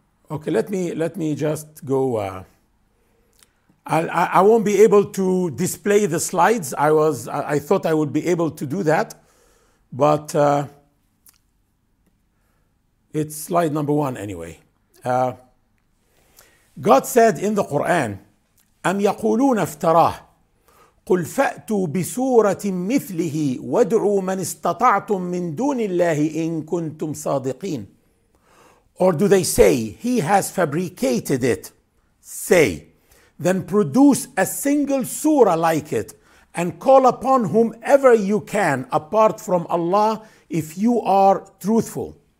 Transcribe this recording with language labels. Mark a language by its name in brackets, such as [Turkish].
[English] Okay, let me just go. I won't be able to display the slides. I thought I would be able to do that, but it's slide number one anyway. God said in the Quran, [Arabic] أَمْ يَقُولُونَ افْتَرَاهُ قُلْ فَأْتُوا بِسُورَةٍ مِثْلِهِ وَادْعُوا مَنِ اسْتَطَعْتُمْ مِنْ دُونِ اللَّهِ إِن كُنْتُمْ صَادِقِينَ. [English] Or do they say, he has fabricated it? Say, then produce a single surah like it and call upon whomever you can apart from Allah if you are truthful.